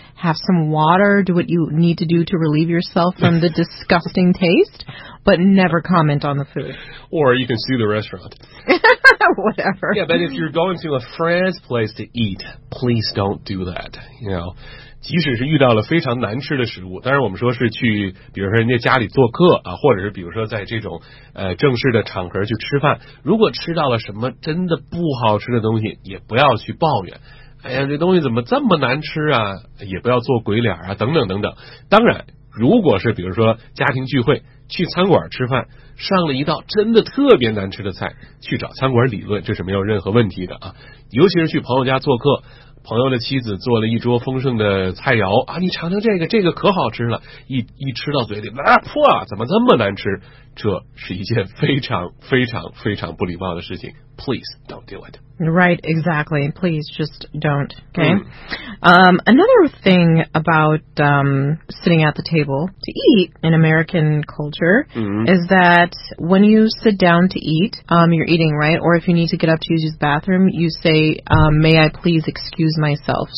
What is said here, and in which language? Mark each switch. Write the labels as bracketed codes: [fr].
[en] Have some water, do what you need to do to relieve yourself from the disgusting taste, but never comment on the food. Or you can sue the restaurant. Whatever. Yeah, but if you're going to a friend's place to eat, please don't do that, you know. [zh] 即使是遇到了非常难吃的食物, 当然我们说是去比如说人家家里做客, 啊, 或者是比如说在这种, 正式的场合去吃饭, 如果吃到了什么真的不好吃的东西, 也不要去抱怨, 哎呀, 这东西怎么这么难吃啊, 也不要做鬼脸啊, 等等等等, 当然, 如果是比如说家庭聚会, 去餐馆吃饭, 上了一道真的特别难吃的菜, 去找餐馆理论, 这是没有任何问题的, 啊, 尤其是去朋友家做客, 朋友的妻子做了一桌丰盛的菜肴, 啊, 你尝尝这个, 这个可好吃了, 一吃到嘴里, 啊, 噗, 啊, 怎么这么难吃, 这是一件非常非常非常不礼貌的事情, [en] please don't do it. Right, exactly, please just don't, okay? Another thing about sitting at the table to eat in American culture is that when you sit down to eat, you're eating, right? Or if you need to get up to use the bathroom, you say, may I please excuse myself?